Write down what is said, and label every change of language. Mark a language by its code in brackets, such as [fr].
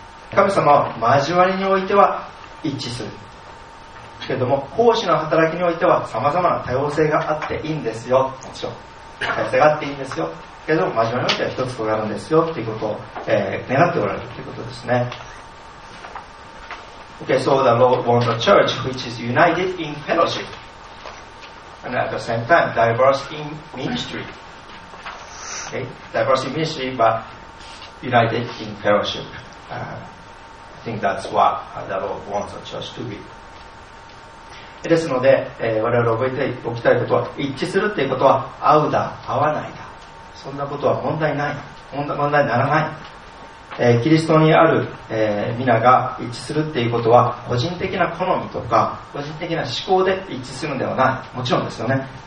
[ja] 神様は交わりにおいては一致するけれども、奉仕の働きにおいては様々な多様性があっていいんですよ、もちろん多様性があっていいんですよ、けれども交わりにおいては一つとなるんですよということを、願っておられるということですね。 [en] OK, so the Lord wants a church which is united in fellowship and at the same time diverse in ministryOkay, diverse in ministry, but united in fellowship. I think that's what the Lord wants the church to be. [ja] ですので、我々覚えておきたいことは、一致するということは、合うだ、合わないだ。そんなことは問題ない。問題にならない。キリストにある、皆が一致するということは、個人的な好みとか、個人的な思考で一致するのではない。もちろんですよね。